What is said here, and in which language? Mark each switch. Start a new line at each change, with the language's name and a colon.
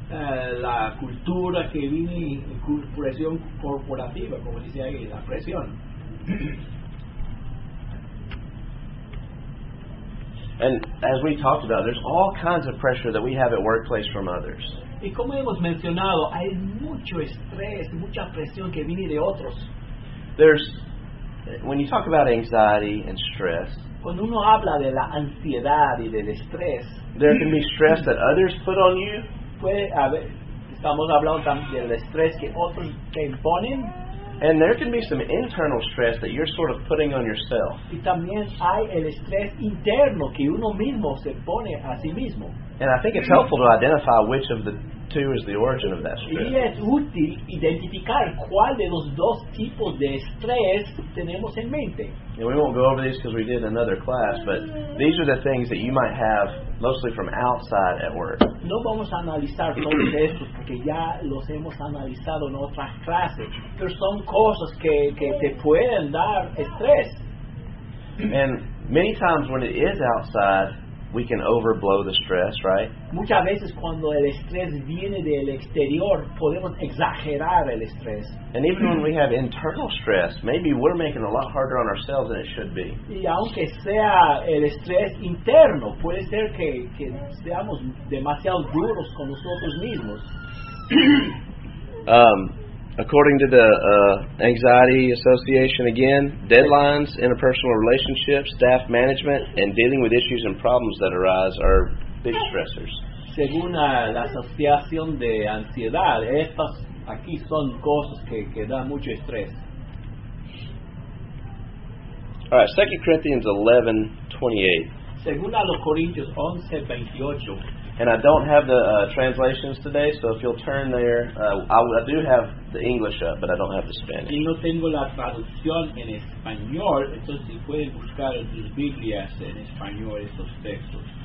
Spanish: La cultura que viene, presión corporativa, como dice ahí, la presión.
English: And as we talked about, there's all kinds of pressure that we have at workplace from others.
Spanish: Y como hemos mencionado, hay mucho estrés, mucha presión que viene de otros.
English: There's, when you talk about anxiety and stress,
Spanish: cuando uno habla de la ansiedad y del estrés,
English: there can be stress that others put on you.
Spanish: Puede haber, estamos hablando también del estrés que otros te imponen.
English: And there can be some internal stress that you're sort of putting on yourself.
Spanish: Y también hay el estrés interno que uno mismo se pone a sí mismo.
English: And I think it's helpful to identify which of the two is the origin of that stress.
Spanish: Y es útil identificar cuál de los dos tipos de estrés tenemos en mente.
English: And we won't go over these because we did in another class, but these are the things that you might have mostly from outside at work.
Spanish: No vamos a analizar todos estos porque ya los hemos analizado en otras clases, pero son cosas que te pueden dar estrés.
English: And many times when it is outside, we can overblow the stress, right?
Spanish: Muchas veces cuando el estrés viene del exterior, podemos exagerar el estrés.
English: And even when we have internal stress, maybe we're making it a lot harder on ourselves than it should be.
Spanish: Y aunque sea el estrés interno, puede ser que seamos demasiado duros con nosotros mismos.
English: According to the Anxiety Association, again, deadlines, interpersonal relationships, staff management, and dealing with issues and problems that arise are big stressors.
Spanish: Según la Asociación de Ansiedad, estas aquí son cosas que dan mucho estrés.
English: All right, 2 Corinthians 11:28.
Spanish: Según a los Corintios 11:28.
English: And I don't have the translations today, so if you'll turn there, I do have the English up, but I don't have the Spanish.
Spanish: Y no tengo la traducción en español, entonces si pueden buscar en sus Biblias en español esos textos.